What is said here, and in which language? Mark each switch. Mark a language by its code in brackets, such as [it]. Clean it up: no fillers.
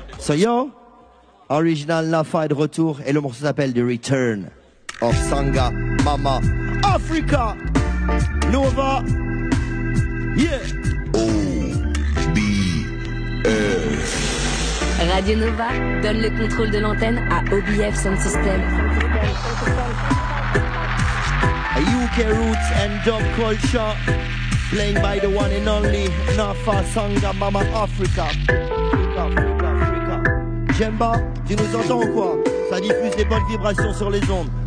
[fr] So yo, original Nafa est de retour. Et le morceau s'appelle The Return of Sanga Mama Africa. Nova. Yeah. OBF. Radio Nova donne le contrôle de l'antenne à OBF Sound System. [en] UK roots and dub culture, playing by the one and only Nafa Sangamama Africa. [fr] Africa, Africa, Africa. Jemba, tu nous entends ou quoi? Ça diffuse des bonnes vibrations sur les ondes.